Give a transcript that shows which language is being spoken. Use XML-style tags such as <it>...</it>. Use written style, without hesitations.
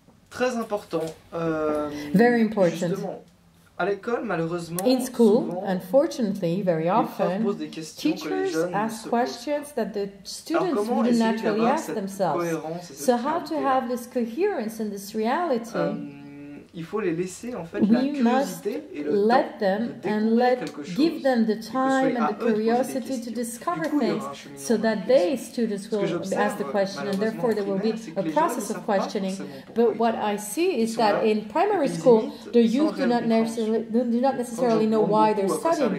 <fr>Très important.</fr> <en>Very important.</en> <fr>À l'école, malheureusement,</fr> <en>in school,</en> <fr>souvent,</fr> <en>unfortunately, very often, teachers ask questions that the students wouldn't naturally ask themselves. So how to have this coherence and this reality?</en> <fr>Il faut les laisser, en fait, la curiosité et le temps</fr> <en>and give them the time and the curiosity to discover things so that they, students, will ask the question and therefore there will be a process of questioning. But what I see is that in primary school, the youth do not necessarily know why they're studying.</en>